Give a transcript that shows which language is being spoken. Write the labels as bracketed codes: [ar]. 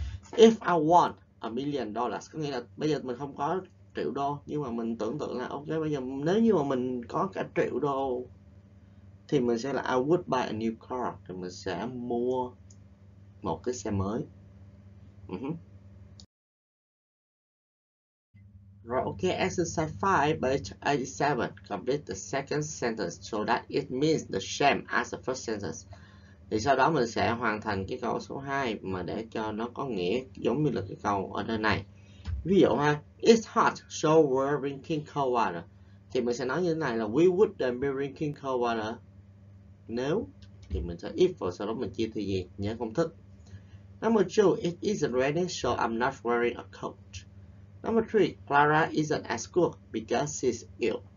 [en] If I want $1,000,000, [vi] có nghĩa là bây giờ mình không có triệu đô nhưng mà mình tưởng tượng là ok, bây giờ nếu như mà mình có cả triệu đô thì mình sẽ là [en] I would buy a new car, [vi] thì mình sẽ mua một cái xe mới. [en] Rồi, ok, exercise 5, page 87, complete the second sentence so that it means the same as the first sentence. [vi] Thì sau đó mình sẽ hoàn thành cái câu số 2 mà để cho nó có nghĩa giống như là cái câu ở đây này. Ví dụ ha, [en] it's hot, so we're drinking cold water. [vi] Thì mình sẽ nói như thế này là [en] we wouldn't be drinking cold water [vi] nếu, thì mình sẽ if, và sau đó mình chia thì gì, nhớ công thức. [en] Number 2, it isn't raining, so I'm not wearing a coat. Number 3, Clara isn't at school because she's ill.